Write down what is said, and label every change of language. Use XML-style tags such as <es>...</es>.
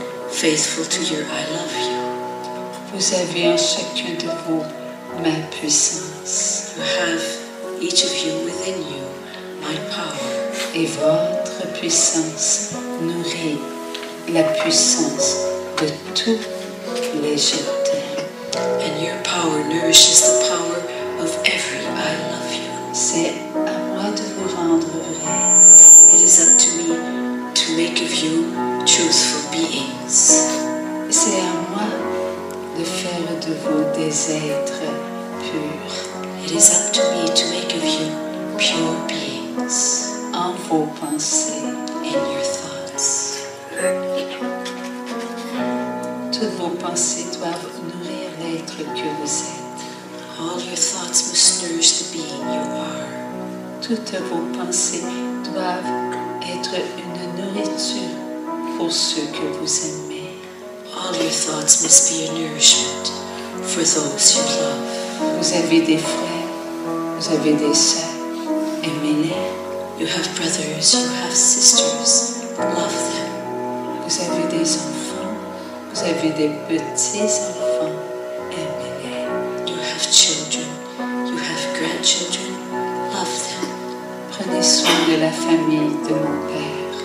<en>Faithful to you, I love you.</en> <fr>Vous avez en chacun de vous ma puissance.</fr> <en>You have, each of you within you, my power.</en> <fr>Et votre puissance nourrit la puissance de tous les jetés.</fr> <en>And your power nourishes the power of every I love you.</en> <fr>C'est à moi de vous rendre vrai.</fr> <en>It is up to me to make of you truthful beings.</en> <fr>C'est à moi de faire de vous des êtres purs.</fr> <en>It is up to me to make of you pure beings.</en> <fr>En vos pensées.</fr> <en>In your thoughts.</en> <fr>Toutes vos pensées doivent nourrir l'être que vous êtes.</fr> <en>All your thoughts must nourish the being you are.</en> <fr>Toutes vos pensées doivent être une nourriture pour ceux que vous aimez.</fr> <en>All your thoughts must be a nourishment for those you love.</en> <fr>Vous avez des frères, vous avez des sœurs, aimez-les.</fr> <en>You have brothers, you have sisters, love them.</en> <fr>Vous avez des enfants, vous avez des petits-enfants, aimez-les.</fr> <en>You have children, you have grandchildren, love them.</en> <fr>Prenez soin de la famille de mon père.</fr>